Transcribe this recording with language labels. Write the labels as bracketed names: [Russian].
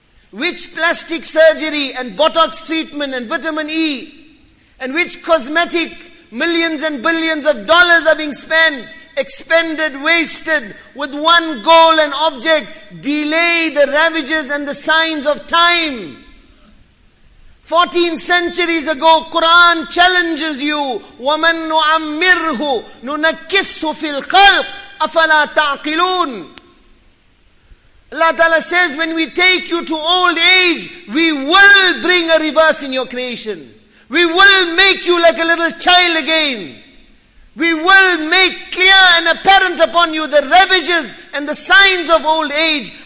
[English] Which plastic surgery and Botox treatment and vitamin E and which cosmetic millions and billions of dollars are being spent, expended, wasted with one goal and object, delay the ravages and the signs of time? 14 centuries ago, Quran challenges you, [Arabic] وَمَن نُعَمِّرْهُ نُنَكِّسْهُ فِي الْخَلْقِ أَفَلَا تَعْقِلُونَ. [English] Allah Ta'ala says, when we take you to old age, we will bring a reverse in your creation. We will make you like a little child again. We will make clear and apparent upon you the ravages and the signs of old age.